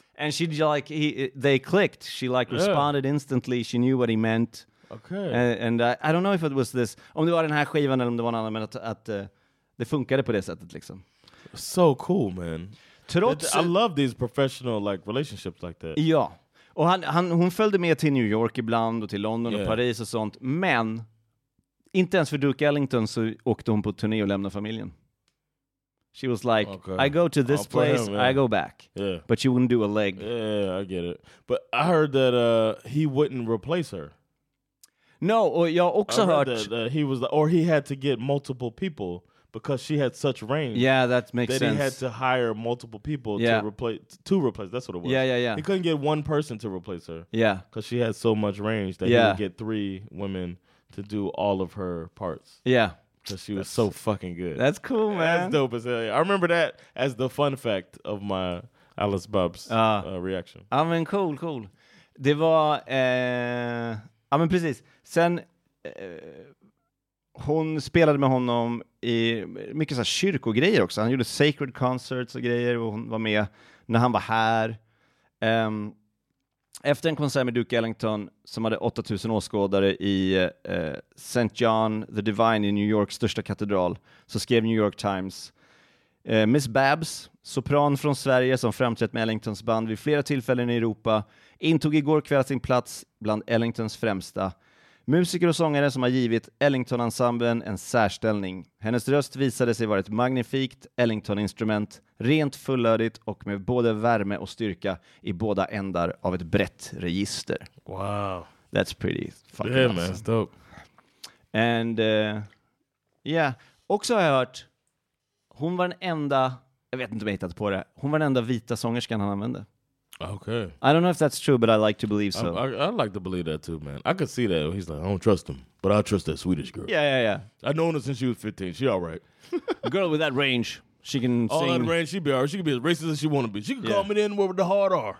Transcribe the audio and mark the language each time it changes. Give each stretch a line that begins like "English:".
English: And she like they clicked. She like responded instantly. She knew what he meant. Okay. And I don't know if it was this.
Swedish: Om det var den här skivan eller om det var någon annan, att det funkade på det sättet, liksom.
English: So cool, man. I love these professional like relationships like that.
Swedish: Ja. Och hon följde med till New York ibland och till London och Paris och sånt. Men inte ens för Duke Ellington så åkte hon på turné och lämnade familjen.
English: She was like, okay. I go to this place, him, I go back. Yeah. But you wouldn't do a leg. Yeah, I get it. But I heard that he wouldn't replace her. No,
Swedish: och jag har också hört...
English: That he was the, or he had to get multiple people because she had such range. Yeah, that makes sense. That he had to hire multiple people to replace, that's what it was. Yeah. He couldn't get one person to replace her. Yeah. Because she had so much range that he would get three women to do all of her parts. Yeah. Because she was so fucking good. That's cool, man. That's dope as hell. I remember that as the fun fact of my Alice Babs reaction. I mean, cool.
Swedish: Det var...
English: I mean,
Swedish: precis. Sen hon spelade med honom i mycket så här kyrkogrejer också. Han gjorde sacred concerts och grejer och hon var med när han var här. Efter en konsert med Duke Ellington som hade 8000 åskådare i St. John the Divine i New Yorks största katedral så skrev New York Times Miss Babs, sopran från Sverige som framträtt med Ellingtons band vid flera tillfällen i Europa, intog igår kväll sin plats bland Ellingtons främsta musiker och sångare som har givit Ellington-ensemblen en särställning. Hennes röst visade sig vara ett magnifikt Ellington-instrument, rent fullödigt och med både värme och styrka i båda ändar av ett brett register.
English: Wow. That's pretty fucking awesome. Yeah, man, it's dope. And, yeah.
Swedish: Också har jag hört, hon var den enda, jag vet inte om jag hittat på det, hon var den enda vita sångerskan han använde.
English: Okay. I don't know if that's true, but I like to believe so. I like to believe that too, man. I could see that. He's like, I don't trust him, but I trust that Swedish girl. Yeah. I've known her since she was 15. She all right. A girl with that range, she can all sing. All that range, she be all right. She can be as racist as she want to be. She can call me in where the hard R.